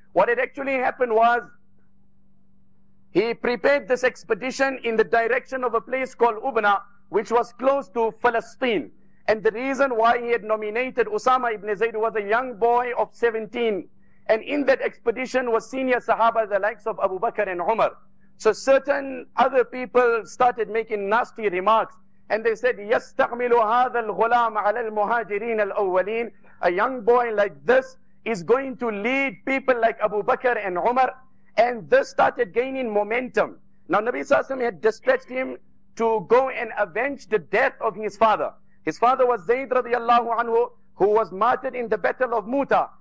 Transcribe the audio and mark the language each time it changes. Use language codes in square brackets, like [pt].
[en] What had actually happened was, he prepared this expedition in the direction of a place called Ubna, which was close to Palestine. And the reason why he had nominated Usama ibn Zayd was a young boy of 17. And in that expedition was senior Sahaba, the likes of Abu Bakr and Umar. So certain other people started making nasty remarks. And they said, [ar] يَسْتَعْمِلُ هَذَا الْغُلَامَ عَلَى الْمُهَاجِرِينَ الْأَوَّلِينَ. [en] A young boy like this is going to lead people like Abu Bakr and Umar. And this started gaining momentum. Now Nabi Sallallahu Alaihi Wasallam had dispatched him to go and avenge the death of his father. His father was Zayd radiallahu anhu, who was martyred in the Battle of Muta.